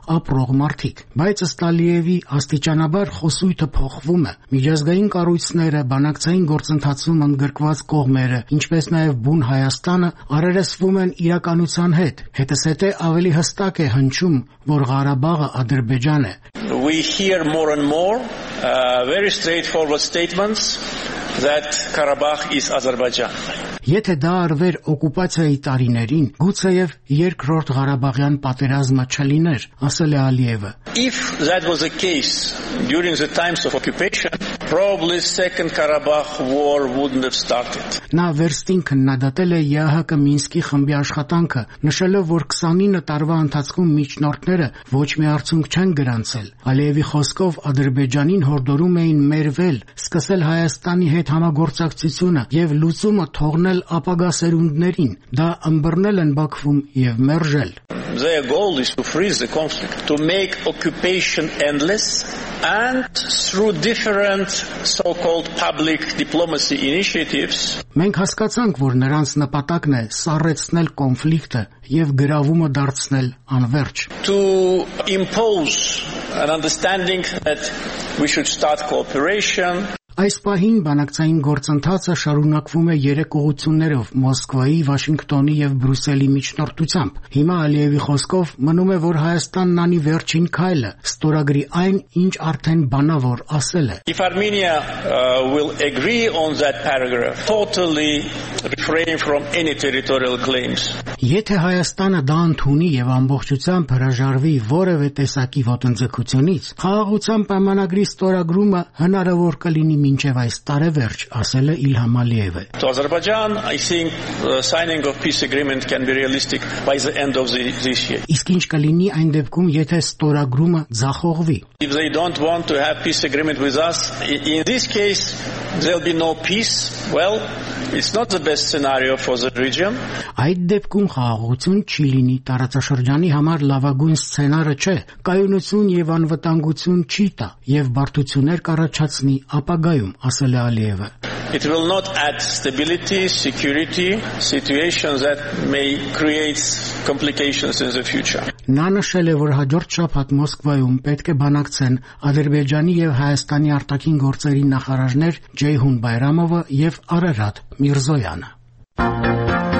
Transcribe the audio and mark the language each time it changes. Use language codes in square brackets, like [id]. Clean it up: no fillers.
[hy] ապրող մարդիկ։ Բայց ըստ Ալիևի աստիճանաբար խոսույթը փոխվում է։ Միջազգային կառույցները, բանակցային գործընթացում ընդգրկված կողմերը, ինչպես նաև բուն Հայաստանը, առերեսվում են իրականության հետ։ Հետս հետե ավելի հստակ է հնչում, որ Ղարաբաղը Ադրբեջան է։ [en] We hear more and more very straightforward statements that Karabakh is Azerbaijan. [hy] Եթե դա արվեր օկուպացիայի տարիներին, գուցեև երկրորդ Ղարաբաղյան պատերազմը չլիներ, ասել է Ալիևը։ [en] If that was the case during the times of occupation, probably second Karabakh war wouldn't have started. [hy] Նա վերստին քննադատել է ՀՀԿ Մինսկի խմբի աշխատանքը, նշելով, որ 29 տարվա ընթացքում միջնորդները ոչ մի արդյունք չեն գրանցել։ Ալիևի խոսքով Ադրբեջանին հորդորում էին մերվել, սկսել Հայաստանի հետ համագործակցությունը և լուծումը թողնել ապագա սերունդներին, դա ըմբռնել են Բաքվում և մերժել։ [en] Their goal is to freeze the conflict, to make occupation endless, and through different so-called public diplomacy initiatives. [hy] Մենք հասկացանք, որ նրանց նպատակն է սառեցնել կոնֆլիկտը և գրավումը դարձնել անվերջ. [en] To impose an understanding that we should start cooperation. [hy] Այս պահին բանակցային գործընթացը շարունակվում է 3 ուղություններով՝ Մոսկվայի, Վաշինգտոնի և Բրյուսելի միջնորդությամբ։ Հիմա Ալիևի խոսքով մնում է, որ Հայաստանն անի վերջին քայլը, ստորագրի այն, ինչ արդեն բանավոր ասել է։ [en] If Armenia will agree on that paragraph, totally refrain from any territorial claims. [hy] Եթե Հայաստանը դա ընդունի և ամբողջությամբ հրաժարվի որևէ տեսակի ոտնձգությունից, խաղաղության պայմանագրի ստորագրումը հնարավոր կլինի մինչև այս տարեվերջ, ասել է Իլհամ Ալիևը։ [en] To Azerbaijan, I think the signing of peace agreement can be realistic by the end of this year. [hy] Իսկ ինչ կլինի այն դեպքում, եթե ստորագրումը ձախողվի։ [en] If they don't want to have peace agreement with us, in this case there'll be no peace. Well, it's not the best scenario for the region. [hy] Այդ դեպքում խաղաղություն չի լինի, տարածաշրջանի համար լավագույն սցենարը չէ, կայունություն և անվտանգություն չի տա և բարդություններ կառաջացնի ապագայում, ասել է Ալիևը։ [en] It will not add stability, security, situations that may create complications in the future. [hy] Նա նշել է, որ հաջորդ շաբաթ Մոսկվայում պետք է բանակցեն Ադրբեջանի և Հայաստանի արտաքին գործերի նախարարներ Ջեյհուն Բայրամովը և Արարատ Միրզոյանը։